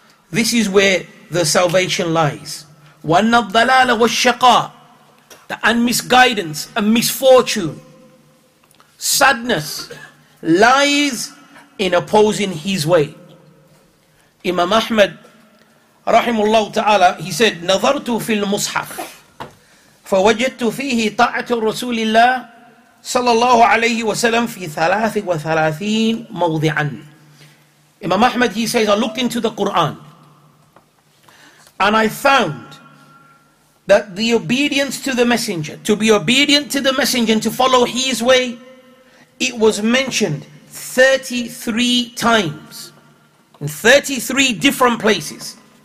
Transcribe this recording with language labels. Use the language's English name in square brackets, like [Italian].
[English] This is where the salvation lies. [Arabic] Wa an-dhalala wa ash-shaqa. [English] The misguidance and misfortune, sadness lies in opposing his way. Imam Ahmad rahimullah ta'ala, he said, [Arabic] نظرت في المصحف فوجدت فيه طاعة رسول الله صلى الله عليه وسلم في 33 موضعا. [English] Imam Ahmad, he says, I looked into the Quran and I found that the obedience to the messenger, to be obedient to the messenger and to follow his way, it was mentioned 33 times in 33 different places.